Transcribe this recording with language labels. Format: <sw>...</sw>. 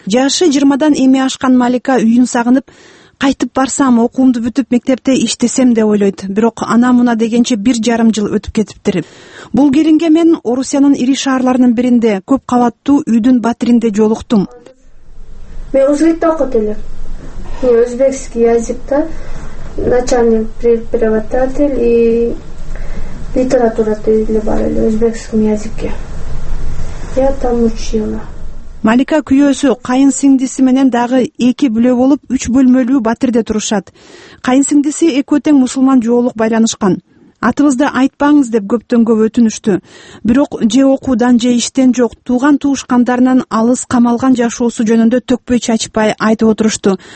<ky>Жашы 20-дан эми ашкан Малика үйүн сагынып, кайтып барсам, окуумду бүтүп мектепте иштесем деп ойлойт. Бирок ана муна дегенче 1,5 жыл өтүп кетиптир. Бул келинге мен Орусиянын ири шаарларынын биринде көп кабаттуу үйдүн батиринде жолуктум. Мен Узбекте окут элем.</ky> <ru>Мен Узбекский языкта начальник преподаватель и литература</ru> <ky>тилинде бар эле</ky> <ru>Узбекский языкке. Я там учила.</ru> <ky>Малика күйөөсү кайын сиңдиси менен дагы эки бүлө болуп 3 бөлмөлүү батирде турушат. Кайын сиңдиси экөө тең мусулман жоолук байланышкан. Атыбызды айтпаңыз деп көптөн көп өтүнүштү. Бирок же окуудан же иштен жок, тууган туушкандарынан алыс камалган жашоосу жөнүндө төкпөй чачпай айтып отурушту.</ky>